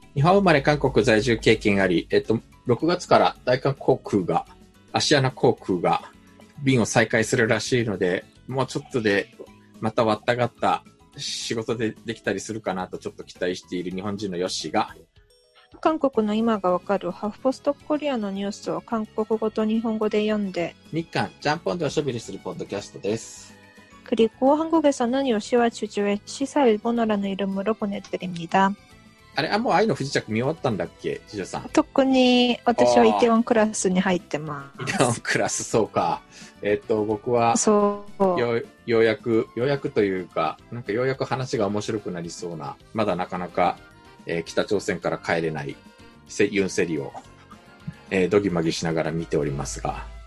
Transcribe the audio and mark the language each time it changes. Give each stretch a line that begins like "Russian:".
Japanese: 日本生まれ韓国在住経験あり、6月から大韓航空がアシアナ航空が便を再開するらしいので、もうちょっとでまたわったがった仕事でできたりするかなとちょっと期待している日本人のヨッシーが、韓国の今がわかるハフポストコリアのニュースを韓国語と日本語で読んで、日韓ジャンポンでおしゃべりするポッドキャストです。
Korean: 그리고한국에서는요시와주주의시사일본어라는이름으로보내드립니다。
Japanese: あれ、あ、もう愛の不時着見終わったんだっけ、ジュジュさん。特に私はイテウォンクラスに入ってます。イテウォンクラス、そうか。僕はそう、ようやくというか、なんかようやく話が面白くなりそうな、まだなかなか北朝鮮から帰れないユンセリを、ドギマギしながら見ておりますが、